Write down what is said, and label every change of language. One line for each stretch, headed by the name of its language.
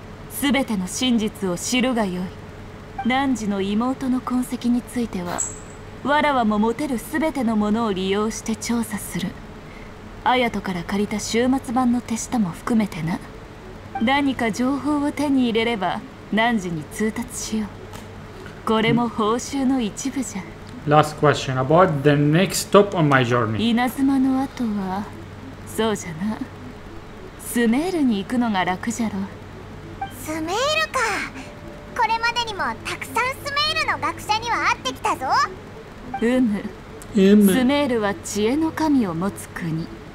Japanese: すべての真実を知るがよい。ナンジの妹の痕跡については、わらわも持てるすべてのものを利用して調査する。アヤトから借りた終末版の手下も含めてな。何か情報を手に入れれば、ナンジに通達しよう。これも報酬の一部じゃ。
English: Last question about the next stop on my journey.
Japanese: 稲妻の後は、そうじゃな、スメールに行くのが楽じゃろ。スメールか。これまでにもたくさんスメールの学者には会ってきたぞ。うむ。スメールは知恵の神を持つ国。